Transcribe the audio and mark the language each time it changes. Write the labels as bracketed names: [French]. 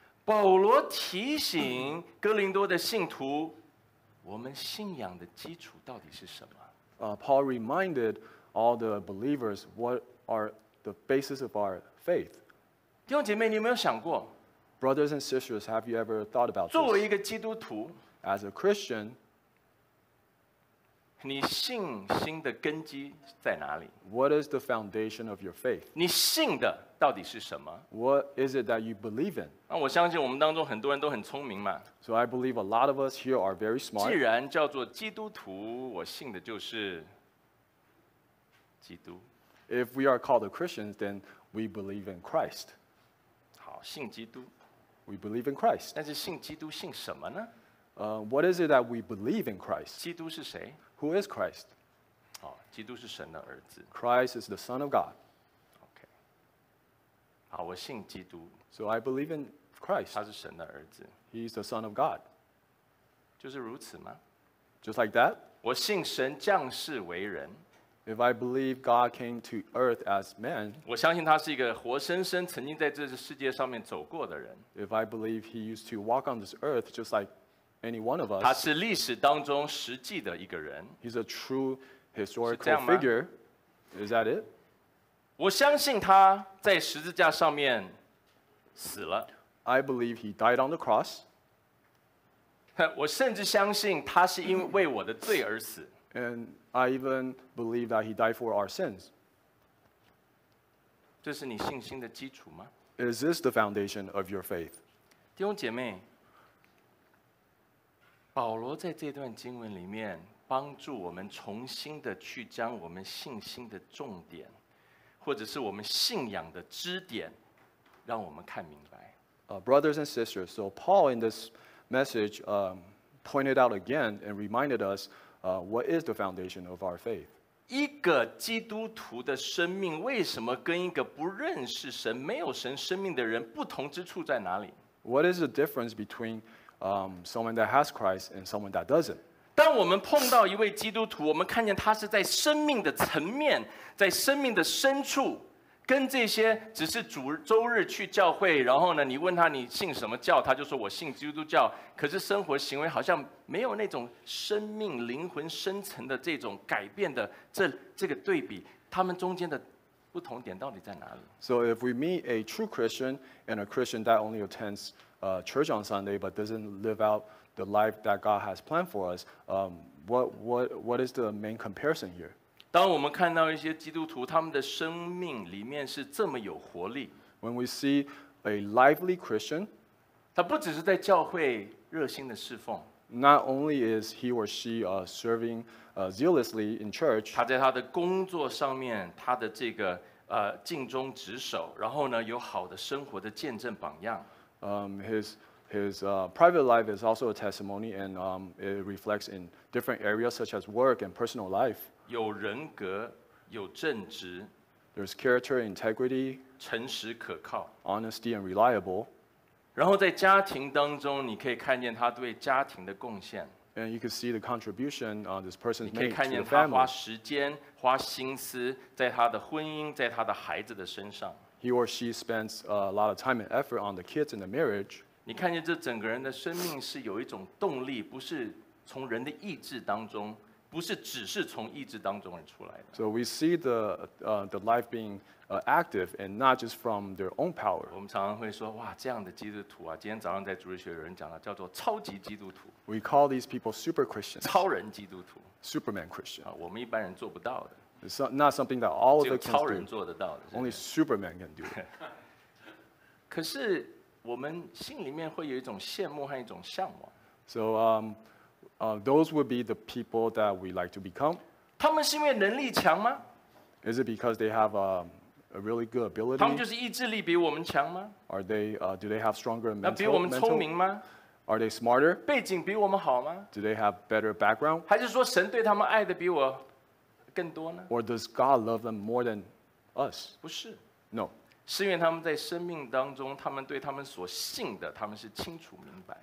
[Chinese] 保罗提醒哥林多的信徒，我们信仰的基础到底是什么？ [English] Paul reminded all the believers what are the basis of our faith. [Chinese] 弟兄姐妹，你有没有想过？ [English] Brothers and sisters, have you ever thought about this? [Chinese] 作为一个基督徒， [English] as a Christian, [Chinese] 你信心的根基在哪里？ [English] What is the foundation of your faith? [Chinese] 你信的到底是什么？ [English] What is it that you believe in? [Chinese] 那我相信我们当中很多人都很聪明嘛。 [English] So I believe a lot of us here are very smart. [Chinese] 既然叫做基督徒，我信的就是基督。 [English] If we are called Christians, then we believe in Christ. [Chinese] 好，信基督。 [English] We believe in Christ. [Chinese] 但是信基督信什么呢？ [English] What is it that we believe in Christ? [Chinese] 基督是谁？ [English] Who is Christ? [Chinese] 哦，基督是神的儿子。 [English] Christ is the Son of God. [Chinese] Okay. 好，我信基督。 [English] So I believe in Christ. [Chinese] 他是神的儿子。 [English] He is the Son of God. [Chinese] 就是如此吗？ [English] Just like that? [Chinese] 我信神降世为人。 [English] If I believe God came to earth as man, [Chinese] 我相信他是一个活生生曾经在这个世界上面走过的人。 [English] If I believe he used to walk on this earth just like any one of us. [Chinese] 他是历史当中实际的一个人。 [English] He's a true historical figure. Is that it? [Chinese] 我相信他在十字架上面死了。 [English] I believe he died on the cross. [Chinese] 我甚至相信他是因为我的罪而死。 [English] And I even believe that he died for our sins. [Chinese] 这是你信心的基础吗？ [English] Is this the foundation of your faith? [Chinese] 弟兄姐妹，保罗在这段经文里面帮助我们重新的去将我们信心的重点，或者是我们信仰的支点，让我们看明白。 [English] Brothers and sisters, so Paul in this message pointed out again and reminded us what is the foundation of our faith. [Chinese] 一个基督徒的生命为什么跟一个不认识神、没有神生命的人不同之处在哪里？ [English] What is the difference between someone that has Christ and someone that doesn't. [Chinese] 当我们碰到一位基督徒，我们看见他是在生命的层面，在生命的深处，跟这些只是主周日去教会，然后呢，你问他你信什么教，他就说我信基督教，可是生活行为好像没有那种生命灵魂深层的这种改变的这个对比，他们中间的不同点到底在哪里？ [English] So if we meet a true Christian and a Christian that only attendschurch on Sunday but doesn't live out the life that God has planned for us, what is the main comparison here? [Chinese] 当我们看到一些基督徒他们的生命里面是这么有活力， [English] when we see a lively Christian, [Chinese] 他不只是在教会热心的侍奉， [English] not only is he or she servingzealously in church, [Chinese] 他在他的工作上面他的这个尽忠职守，然后呢有好的生活的见证榜样， [English] His private life is also a testimony, and it reflects in different areas such as work and personal life. [Chinese] 有人格，有正直， [English] There's character and integrity, [Chinese] 诚实可靠, [English] honesty and reliable. [Chinese] 然后在家庭当中，你可以看见他对家庭的贡献。 [English] And you can see the contribution this person made to the family. [Chinese] 你可以看见他花时间、花心思在他的婚姻、在他的孩子的身上。 [English] He or she spends a lot of time and effort on the kids and the marriage. [Chinese] 你看见这整个人的生命是有一种动力，不是从人的意志当中。不是只是从意志当中而出来的。 [English] So we see the life being active and not just from their own power. [Chinese] 我们常常会说，哇，这样的基督徒啊，今天早上在主日学有人讲了，叫做超级基督徒。 [English] We call these people super Christians. [Chinese] 超人基督徒。 [English] Superman Christian. [Chinese] 我们一般人做不到的。 [English] It's not something that all of the [Chinese] 超人做得到的。 [English] Only Superman can do it. [Chinese] 可是我们心里面会有一种羡慕和一种向往。 [English] So those would be the people that we like to become. [Chinese] 他们是因为能力强吗? [English] Is it because they have a really good ability? [Chinese] 他们就是意志力比我们强吗? [English] Are they, do they have stronger mental? [Chinese] 比我们聪明吗? [English] Are they smarter? [Chinese] 背景比我们好吗? [English] Do they have better background? [Chinese] 还是说神对他们爱的比我更多呢? [English] Or does God love them more than us? [Chinese] 不是。 [English] No. [Chinese] 是因为他们在生命当中，他们对他们所信的，他们是清楚明白。